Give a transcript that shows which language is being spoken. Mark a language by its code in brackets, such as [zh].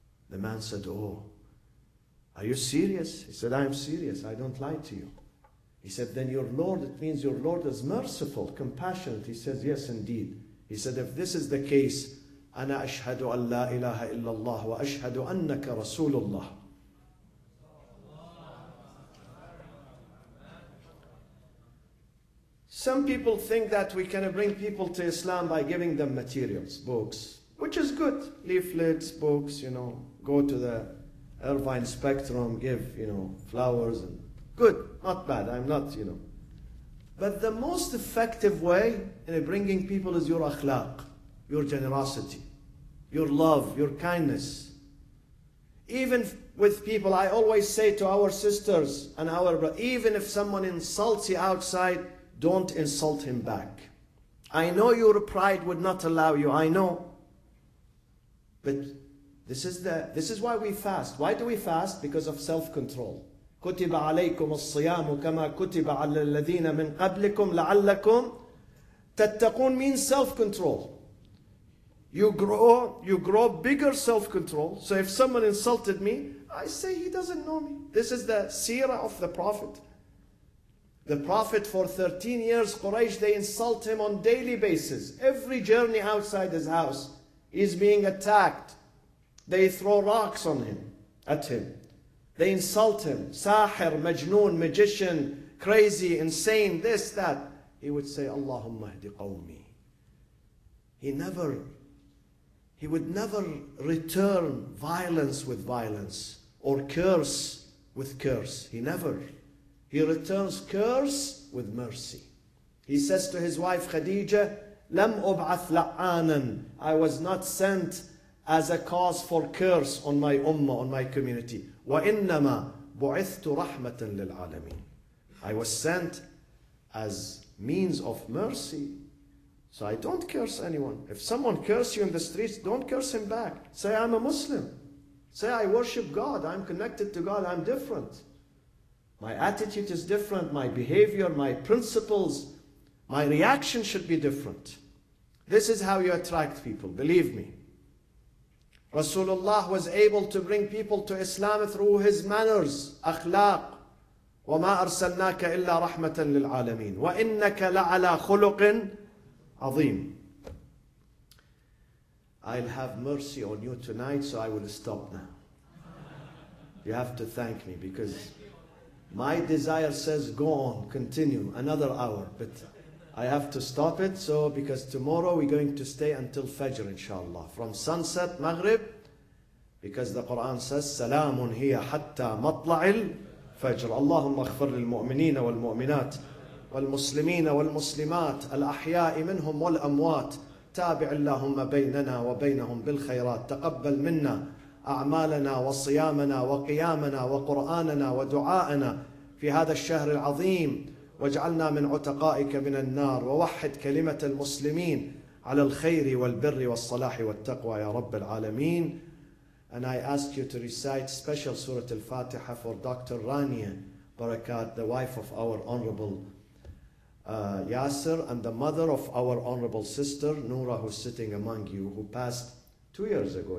[en] The man said, oh, are you serious? He said, I am serious. I don't lie to you. He said, then your Lord, it means your Lord is merciful, compassionate. He says, yes, indeed. He said, if this is the case, [ar] أنا أشهد أن لا إله إلا الله وأشهد أنك رسول الله. [en] Some people think that we can bring people to Islam by giving them materials, books, which is good. Leaflets, books, you know, go to the Irvine Spectrum, give, you know, flowers and good, not bad, I'm not, you know. But the most effective way in bringing people is your akhlaq, your generosity. your love, your kindness. Even with people, I always say to our sisters and our brothers, even if someone insults you outside, don't insult him back. I know your pride would not allow you, I know. But this is why we fast. Why do we fast? Because of self-control. [ar] كُتِبَ عَلَيْكُمُ الصِّيَامُ كَمَا كُتِبَ عَلَى الَّذِينَ مِنْ قَبْلِكُمْ لَعَلَّكُمْ تَتَّقُونَ [en] means self-control. You grow bigger self-control. So if someone insulted me, I say he doesn't know me. This is the seerah of the Prophet. The Prophet for 13 years, Quraysh, they insult him on daily basis. Every journey outside his house, he's being attacked. They throw rocks at him. They insult him. Sahir, Majnoon, magician, crazy, insane, this, that. He would say, [ar] Allahumma ihdi qawmi. [en] He would never return violence with violence or curse with curse. He never. He returns curse with mercy. He says to his wife Khadija, [ar] لم أبعث لعاناً. [en] I was not sent as a cause for curse on my ummah, on my community. [ar] وإنما بعثت رحمة للعالمين. [en] I was sent as means of mercy. So I don't curse anyone. If someone curses you in the streets, don't curse him back. Say, I'm a Muslim. Say, I worship God. I'm connected to God. I'm different. My attitude is different. My behavior, my principles, my reaction should be different. This is how you attract people. Believe me. Rasulullah was able to bring people to Islam through his manners, akhlaq. [ar] وَمَا أَرْسَلْنَاكَ إِلَّا رَحْمَةً لِلْعَالَمِينَ وَإِنَّكَ لَعَلَى خُلُقٍ عظيم. [en] I'll have mercy on you tonight, so I will stop now. You have to thank me because my desire says go on, continue another hour, but I have to stop it. So because tomorrow we're going to stay until Fajr, inshallah, from sunset Maghrib, because the Quran says [ar] salamun hiya hatta matla'il Fajr. Allahumma aghfir lil mu'minin wal mu'minat والمسلمين والمسلمات الأحياء منهم والأموات تابع اللهم بيننا وبينهم بالخيرات تقبل منا أعمالنا وصيامنا وقيامنا وقرآننا ودعاءنا في هذا الشهر العظيم واجعلنا من عتقائك من النار ووحد كلمة المسلمين على الخير والبر والصلاح والتقوى يا رب العالمين. [en] And I ask you to recite special Surah Al-Fatiha for Dr. Rania Barakat, the wife of our honorable Yasser, and the mother of our honorable sister Noura, who's sitting among you, who passed 2 years ago.